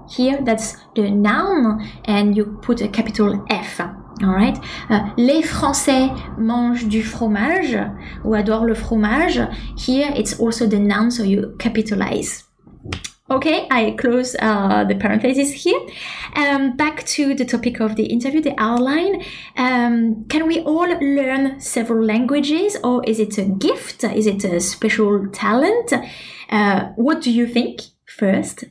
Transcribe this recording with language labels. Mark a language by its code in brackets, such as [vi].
[en] Here, that's the noun, and you put a capital F. All right. [fr] Les Français mangent du fromage ou adorent le fromage. [en] Here, it's also the noun, so you capitalize. Okay, I close the parenthesis here. Back to the topic of the interview, the outline. Can we all learn several languages, or is it a gift? Is it a special talent? What do you think first?